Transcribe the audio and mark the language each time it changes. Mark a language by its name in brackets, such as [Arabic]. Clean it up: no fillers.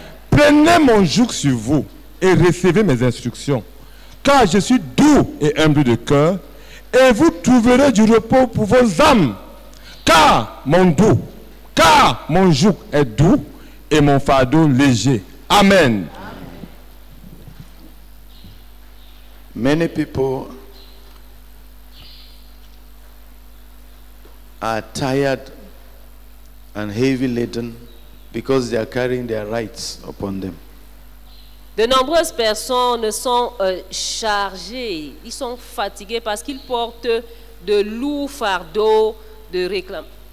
[French] Prenez mon joug sur vous et recevez mes instructions, car je suis doux et humble de cœur, et vous trouverez du repos pour vos âmes, car mon joug est doux et mon fardeau léger. Amen. Amen. [English] Many people are tired and heavy laden because they are carrying their rights upon them. [French] De nombreuses personnes sont chargées, ils sont fatigués parce qu'ils portent de lourds fardeaux de réclame.